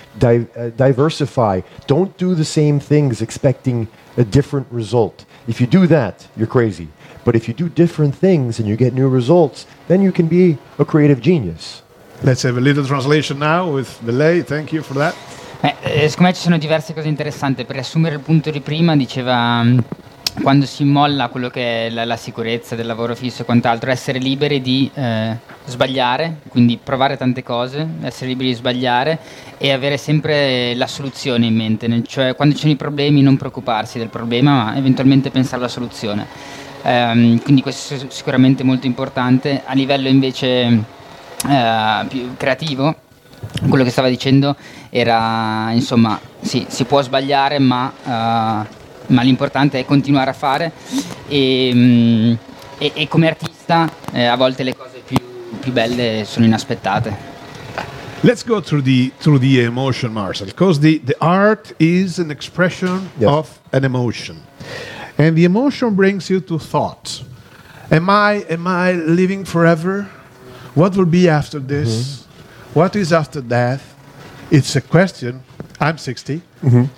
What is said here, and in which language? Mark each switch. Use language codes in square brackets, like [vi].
[en] Diversify. Don't do the same things expecting a different result. If you do that, you're crazy. But if you do different things and you get new results, then you can be a creative genius. Let's have a little translation now with Belay. Thank you for that. [it] Secondo me ci sono diverse cose interessanti. Per riassumere il punto di prima, diceva quando si molla quello che è la sicurezza del lavoro fisso e quant'altro, essere liberi di sbagliare, quindi provare tante cose, essere liberi di sbagliare e avere sempre la soluzione in mente, cioè quando ci sono i problemi non preoccuparsi del problema ma eventualmente pensare alla soluzione. Quindi questo è sicuramente molto importante. A livello invece più creativo, quello che stava dicendo era, insomma, sì, si può sbagliare, ma l'importante è continuare a fare. E come artista, a volte le cose più belle sono inaspettate. [en] Let's go through the emotion, Marcel, because the art is an expression, yes, of an emotion, and the emotion brings you to thought. Am I living forever? What will be after this? Mm-hmm. What is after death? It's a question. I'm 60. Mm-hmm.